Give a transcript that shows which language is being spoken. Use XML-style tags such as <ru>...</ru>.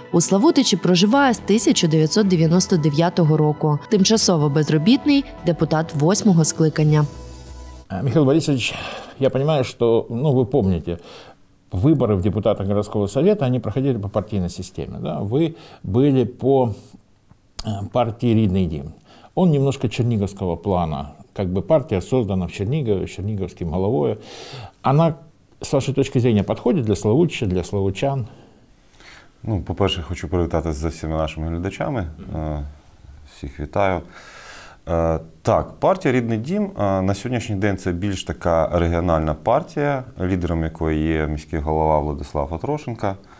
<uk>У Славутичі проживає з 1999 року, тимчасово безробітний, депутат восьмого скликання. Михайло Борисович, я розумію, що, ну, ви пам'ятаєте, вибори в депутата міського совету, вони проходили по партійній системі. Да? Ви були по партії «Рідний дім».</uk> <ru>Он немножко черниговского плана, как бы партия создана в Чернигове, с черниговским головой. Она, с вашей точки зрения, подходит для Славутича, для славучан?</ru> <uk>Ну, по-перше, хочу привітатися за всіми нашими глядачами. Всіх вітаю. Так, партія «Рідний дім» на сьогоднішній день – це більш така регіональна партія, лідером якої є міський голова Владислав Отрошенко.</uk>